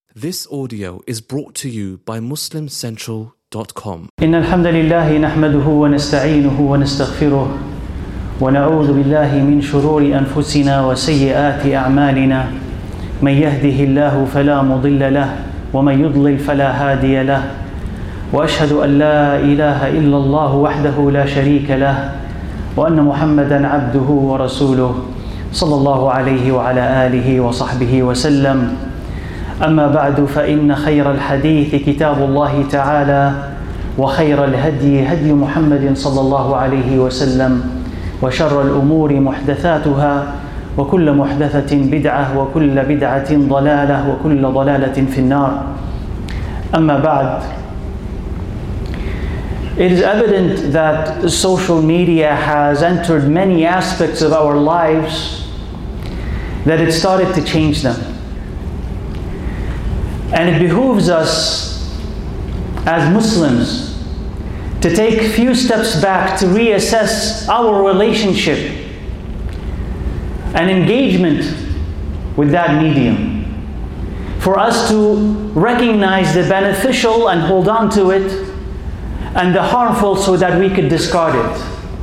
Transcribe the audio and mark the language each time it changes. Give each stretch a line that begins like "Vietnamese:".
English: This audio is brought to you by MuslimCentral.com.
Arabic: إن الحمد لله نحمده ونستعينه ونستغفره ونعوذ بالله من شرور أنفسنا وسيئات أعمالنا من يهده الله فلا مضل له ومن يضلل فلا هادي له وأشهد أن لا إله إلا الله وحده لا شريك له وأن محمدا عبده ورسوله صلى الله عليه وعلى آله وصحبه وسلم أما بعد فإن خير الحديث كتاب الله تعالى وخير الهدي هدي محمد صلى الله عليه وسلم وشر الأمور محدثاتها وكل محدثة بدعة وكل بدعة ضلالة وكل ضلالة في النار أما بعد.
English: It is evident that social media has entered many aspects of our lives, that it started to change them. And it behooves us as Muslims to take a few steps back to reassess our relationship and engagement with that medium, for us to recognize the beneficial and hold on to it, and the harmful so that we could discard it.